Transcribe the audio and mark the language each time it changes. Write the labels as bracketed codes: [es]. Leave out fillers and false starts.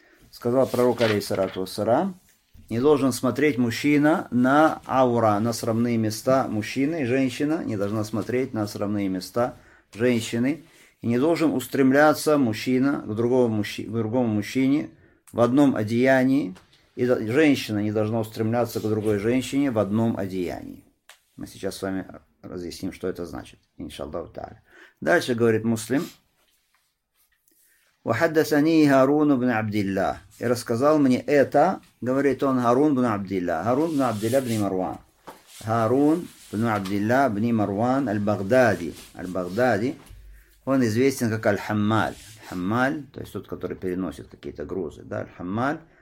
[ru] Сказал пророк алейхи саляту ва саллям, не должен смотреть мужчина на аура, на срамные места мужчины, женщина не должна смотреть на срамные места женщины. И не должен устремляться мужчина к другому мужчине в одном одеянии. И женщина не должна устремляться к другой женщине в одном одеянии. Мы сейчас с вами разъясним, что это значит. Иншаллаху тааля. Дальше говорит Муслим. [ar] وحدثني هارون بن عبد الله. [ru] И рассказал мне это, говорит он, Харун бин Абдилла. Харун бин Абдилла бин Марван. Харун бин Абдилла бин Марван аль-Багдади. Аль-Багдади. Он известен как аль-Хаммаль. Хаммаль, то есть тот, который переносит какие-то грузы. Да, аль-Хаммаль.